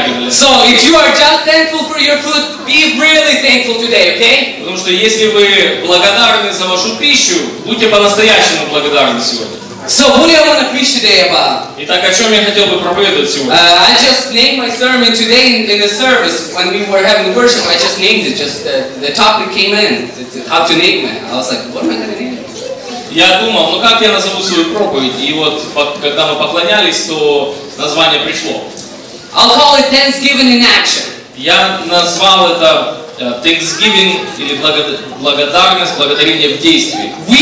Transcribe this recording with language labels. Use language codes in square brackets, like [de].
[en] So if you are just thankful for your food, be really thankful today, okay? [ru] Потому что если вы благодарны за вашу пищу, будьте по-настоящему благодарны сегодня. [en] So what do I want to preach today about? [ru] Итак, о чем я хотел бы проповедовать сегодня? [en] I just named my sermon today in the service when we were having worship. I just named it. Just the topic came in. How to name it? I was like, what am I going to name? [ru] Я думал, ну как я назову свою проповедь? И вот, когда мы поклонялись, то название пришло. [en] I'll call it Thanksgiving in action. [ru] Я назвал это Thanksgiving или благодарность, благодарение в действии.